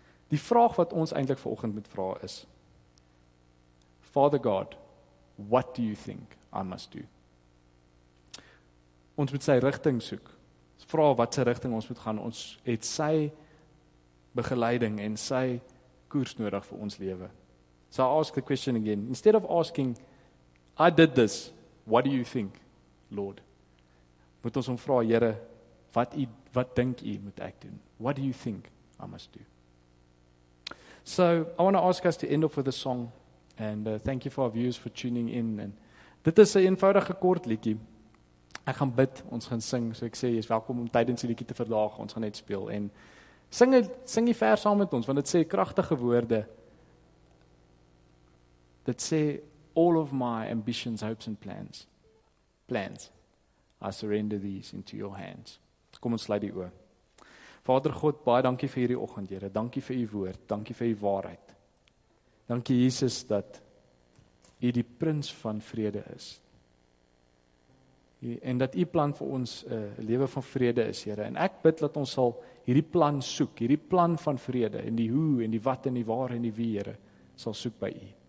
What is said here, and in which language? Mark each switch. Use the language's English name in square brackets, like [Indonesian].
[Afrikaans] Die vraag wat ons eintlik vanoggend moet vra is, [English] Father God, what do you think I must do? [Afrikaans] Ons moet sy rigting soek. Ons vra wat sy rigting ons moet gaan. Ons het sy begeleiding en sy koers nodig vir ons lewe. [English] So I ask the question again. Instead of asking, I did this, what do you think, Lord? [Afrikaans] Moet ons hom vra, Here, wat dink u moet ek doen? [English] What do you think I must do? So I want to ask us to end up with a song. And thank you for our viewers for tuning in. [Afrikaans] And dit is 'n eenvoudige kort liedjie. Ek gaan bid, ons gaan sing. So ek sê, jy is welkom om tydens die liedjie te verlaag. Ons gaan net speel. En sing die vers saam met ons, want dit sê kragtige woorde. Dit sê, [English] all of my ambitions, hopes and plans, I surrender these into your hands. [Afrikaans] Kom ons sluit die oë. Vader God, baie dankie vir hierdie oggend, Here. Dankie vir u woord, dankie vir u waarheid. Dankie Jesus dat u die prins van vrede is. En dat die plan vir ons lewe van vrede is, Here. En ek bid dat ons sal hierdie plan soek, hierdie plan van vrede, en die hoe, en die wat, en die waar, en die wie, Here, sal soek by u.